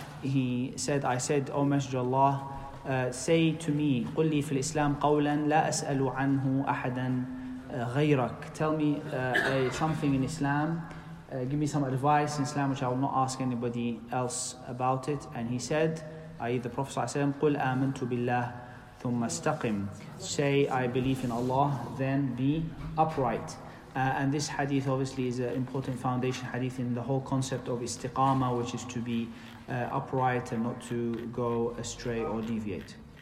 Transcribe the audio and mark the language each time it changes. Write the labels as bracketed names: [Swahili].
[English] He said, I said, O Messenger of Allah, say to me, [Arabic] قُلِّي فِي الْإِسْلَامِ قَوْلًا لَا أَسْأَلُ عَنْهُ أَحَدًا غَيْرَكَ. [English] Tell me something in Islam. Give me some advice in Islam which I will not ask anybody else about it. And he said, i.e. the Prophet ﷺ, [Arabic] قُلْ آمَنْتُ بِاللَّهِ ثُمَّ اسْتَقِمْ. [English] Say, I believe in Allah, then be upright. And this hadith obviously is an important foundation hadith in the whole concept of istiqama, which is to be upright and not to go astray or deviate.